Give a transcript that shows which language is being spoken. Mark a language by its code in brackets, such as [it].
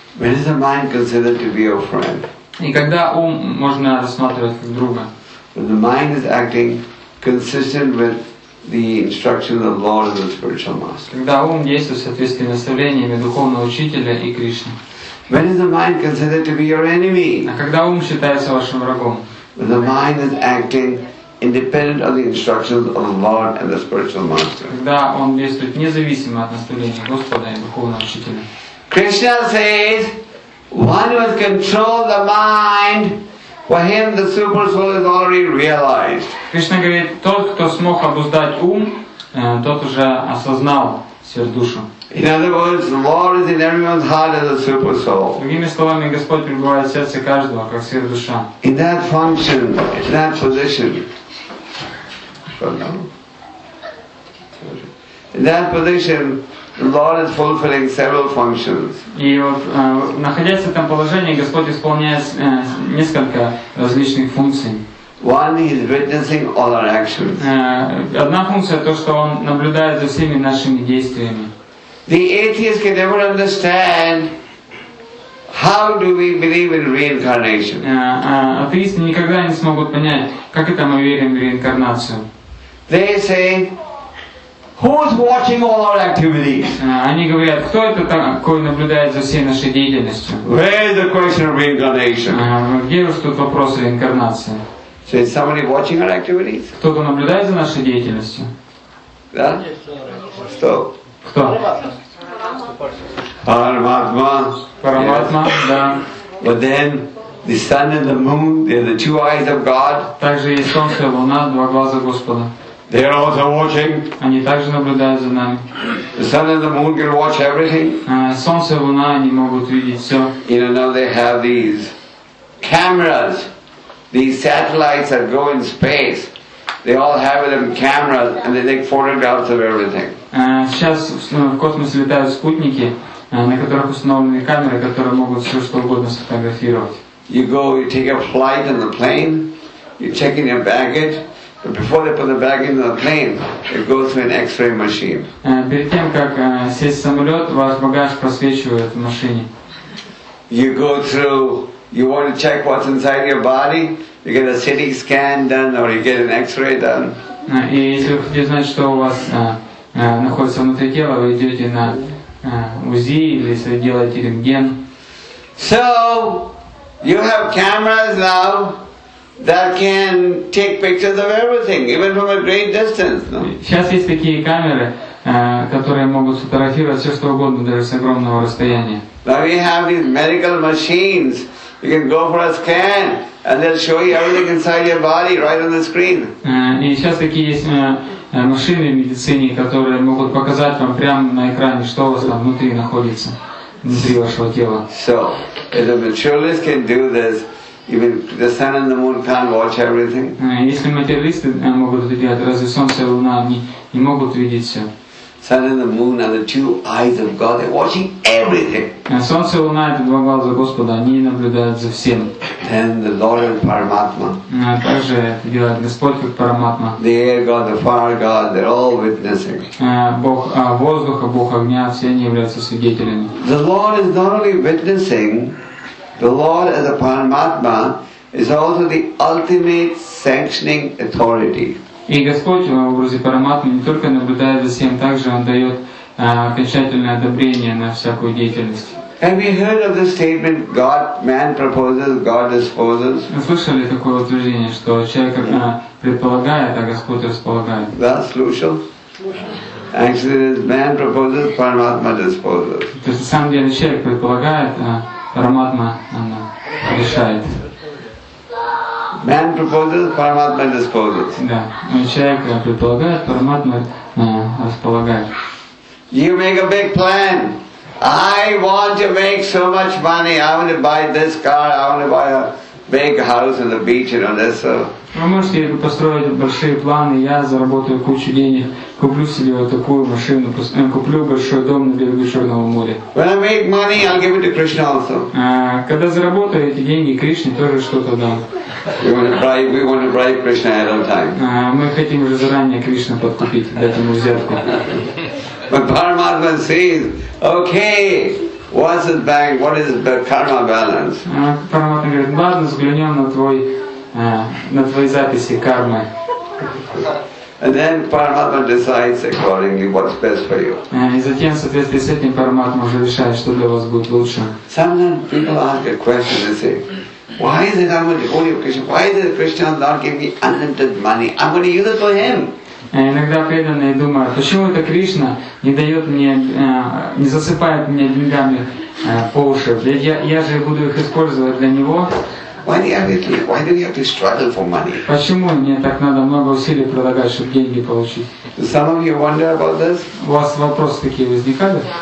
[en] When is the mind considered to be your friend? [ru] И когда ум можно рассматривать как друга? [en] When the mind is acting consistent with the instructions of the Lord and the spiritual master. [ru] Когда ум действует в соответствии с наставлениями духовного учителя и Кришны. [en] When is the mind considered to be your enemy? [ru] А когда ум считается вашим врагом? [en] When the mind is acting independent of the instructions of the Lord and the spiritual master. [ru] Да, он действует независимо от наставления Господа и духовного учителя. [en] Krishna says, one who has controlled the mind, for him the super soul is already realized. [ru] Кришна говорит, тот, кто смог обуздать ум, тот уже осознал сердушу. [en] In other words, the Lord is in everyone's heart as a super soul. [ru] Другими словами, Господь пребывает в сердце каждого как сердуша. [en] In that function, in that position. In that position, the Lord is fulfilling several functions. [ru] И вот находясь в этом положении, Господь исполняет несколько различных функций. [en] One, he is witnessing all our actions. [ru] Одна функция то, что он наблюдает за всеми нашими действиями. [en] The atheist can never understand how do we believe in reincarnation. [ru] Атеисты никогда не смогут понять, как это мы верим в реинкарнацию. [en] They say, who's watching all our activities? [ru] Они говорят, кто это такой наблюдает за всей нашей деятельностью? [en] Where is the question of reincarnation? [ru] Где уж тут вопрос о реинкарнации? [en] So is somebody watching our activities? [ru] Кто-то наблюдает за нашей деятельностью? Да? Что? Кто? Параматма. Параматма, да. [en] But then, the sun and the moon, they're the two eyes of God. [ru] Также есть солнце и луна, два глаза Господа. [en] They are also watching. [ru] Они также наблюдают за нами. [en] The sun and the moon can watch everything. [ru] Солнце и луна, они могут видеть все. [en] You know, now they have these cameras. These satellites that go in space. They all have them cameras and they take photographs of everything. [ru] Сейчас в космосе летают спутники, на которых установлены камеры, которые могут все что угодно сфотографировать. [en] You go, you take a flight in the plane, you're checking your baggage, but before they put the baggage in the plane, it goes through an X-ray machine. [ru] Перед тем, как сесть в самолет, ваш багаж просвечивают в машине. [en] You go through, you want to check what's inside your body, you get a CT scan done or you get an X-ray done. [ru] И если вы хотите знать, что у вас находится внутри тела, вы идете на УЗИ или если делаете рентген. [en] So, you have cameras now that can take pictures of everything, even from a great distance. [ru] Сейчас есть такие камеры, которые могут сфотографировать все, что угодно, даже с огромного расстояния. [en] Now we have these medical machines. You can go for a scan and they'll show you everything inside your body right on the screen. [ru] И сейчас такие есть машины в медицине, которые могут показать вам прямо на экране, что у вас там внутри находится, внутри вашего тела. [en] So, if the materialists can do this, even the sun and the moon can't watch everything. [ru] Если материалисты могут это делать, разве солнце и луна не могут видеть все? [en] Sun and the moon are the two eyes of God. They're watching everything. [ru] Солнце и луна — это два глаза Господа. Они наблюдают за всем. [en] And the Lord and Paramatma. [ru] Также делает Господь как Параматма. [en] The air God, the fire God, they're all witnessing. [ru] Бог воздуха, Бог огня — все они являются свидетелями. [en] The Lord is not only witnessing. The Lord as a Paramatma is also the ultimate sanctioning authority. [ru] И Господь в образе Параматмы не только наблюдает за всем, также Он дает окончательное одобрение на всякую деятельность. [en] Have you heard of the statement, God, man proposes, God disposes? [ru] Слышали такое утверждение, что человек предполагает, а Господь располагает? [en] That's Lucian. Actually, man proposes, Paramatma disposes. [ru] То есть на самом деле человек предполагает, а Параматма решает. [en] Man proposes, Paramatma disposes. [ru] Да, но человек предполагает, Параматма располагает. [en] You make a big plan. I want to make so much money. I want to buy this car. I want to buy a big house on the beach and all this. So. [ru] Вы можете построить большие планы. Я заработаю кучу денег. Куплю себе вот такую машину. Куплю большой дом на берегу Черного моря. [en] When I make money, I'll give it to Krishna also. [ru] Когда заработаю эти деньги, Кришне тоже что-то дам. [en] We want to bribe Krishna ahead of time. [ru] Мы хотим уже заранее Кришну подкупить, дать ему взятку. [en] But Paramatma says, okay, what's the bank, what is the karma balance? [ru] Paramatma говорит, ладно, взглянем на твои записи кармы. [en] And then Paramatma decides accordingly what's best for you. [ru] И затем, в соответствии с этим, Paramatma уже решает, что для вас будет лучше. [en] Sometimes people ask a question, they say, why is it I'm going to hold you, Krishna? Why is it Krishna not giving me unlimited money? I'm going to use it for him. [ru] Иногда преданные думают, почему это Кришна не дает мне, не засыпает мне деньгами по уши? Ведь я же буду их использовать для него. [en] Why do you have to struggle for money? [ru] Почему мне так надо много усилий прилагать, чтобы деньги получить? [en] Some of you wonder about this? [ru] У вас вопросы такие возникали?